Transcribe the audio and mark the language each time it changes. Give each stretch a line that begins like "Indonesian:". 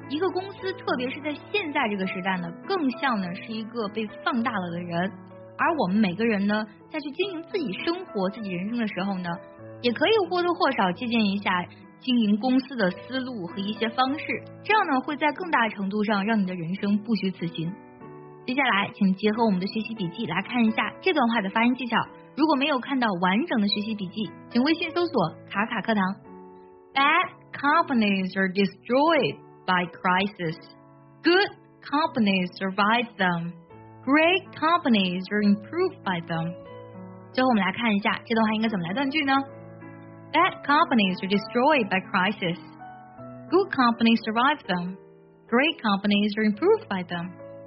Chinese: 一个公司特别是在现在这个时代呢，更像呢是一个被放大了的人，而我们每个人呢在去经营自己生活自己人生的时候呢，也可以或多或少借鉴一下经营公司的思路和一些方式，这样呢会在更大程度上让你的人生不虚此行。接下来请结合我们的学习笔记来看一下这段话的发音技巧，如果没有看到完整的学习笔记，请微信搜索卡卡课堂。
English: Bad companies are destroyed by crisis. Good companies survive them. Great companies are improved by them.
Chinese: 最后我们来看一下这段话应该怎么来断句呢？
English: Bad companies are destroyed by crisis. Good companies survive them. Great companies are improved by them.